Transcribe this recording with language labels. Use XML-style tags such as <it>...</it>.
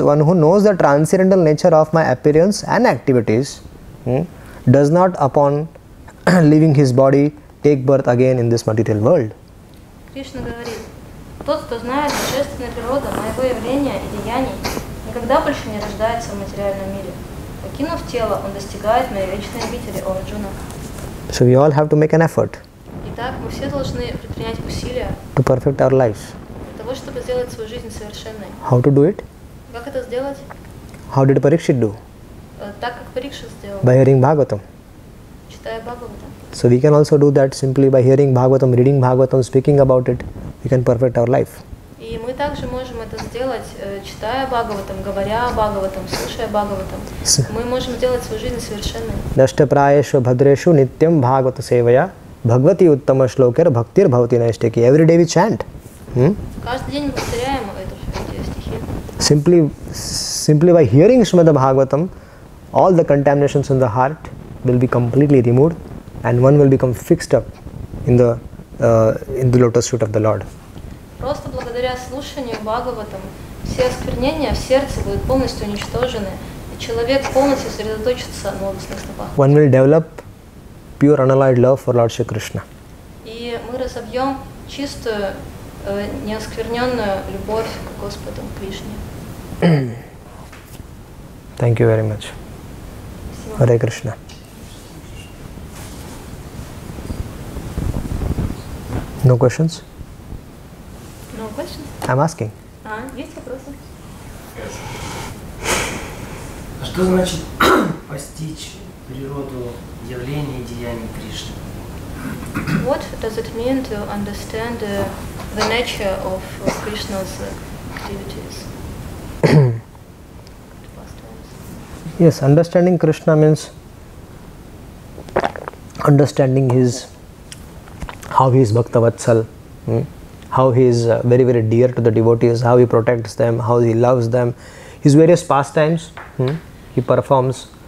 <en>One who knows the transcendental nature of my appearance and activities does not upon leaving his body take birth again in this material world.</en> <ru>Krishna говорит, тот, кто знает божественную природу моего явления и деяний, никогда больше не рождается в материальном мире. Покинув тело, он достигает моей вечной обители, о Арджуна.</ru> <en>So we all have to make an effort.</en> <ru>Итак, мы все должны предпринять усилия</ru> <en>to perfect our lives.</en> <ru>Для того, чтобы сделать свою жизнь совершенной.</ru> <en>How to do it?</en> <ru>Как это сделать?</ru> <en>How did Parikshit do?</en> <ru>Так, как Parikshit сделал.</ru> <en>By hearing Bhagavatam.</en> <ru>Читая Бхагаватам.</ru> <en>So we can also do that simply by hearing Bhagavatam, reading Bhagavatam, speaking about it. We can perfect our life.</en> <ru>И мы также можем это сделать, читая Бхагаватам, говоря о Бхагаватам, слушая Бхагаватам. Мы можем сделать свою жизнь совершенной.</ru> <sa>Даштапраешу бхадрешу нитьям Бхагавата севая Бхагвати уттама шлокер бхактир бхавати наиштеки.</sa> <en>Every day we chant.</en> <ru>Каждый день мы повторяем эти стихи.</ru> <en>Simply by hearing Shrimad Bhagavatam, all the contaminations in the heart will be completely removed. And one will become fixed up in the lotus feet of the Lord.</en> <ru>Просто благодаря слушанию Бхагаватам все осквернения в сердце будут полностью уничтожены, и человек полностью сосредоточится на лотосных стопах.</ru> <en>One will develop pure unalloyed love for Lord Shri Krishna.</en> <ru>И мы разобьем чистую неоскверненную любовь к Господу Кришне.</ru> <en>Thank you very much. Hare Krishna. No questions? No questions? I'm asking.</en> <ru>Есть вопросы?</ru> <en>Yes.</en> <ru>А что значит постичь природу явления и деяний Кришны?</ru> <en>What does it mean to understand the nature of Krishna's activities? Yes, understanding Krishna means understanding his, how he is Bhakta Vatsal, how he is very, very dear to the devotees, how he protects them, how he loves them, his various pastimes he performs.</en>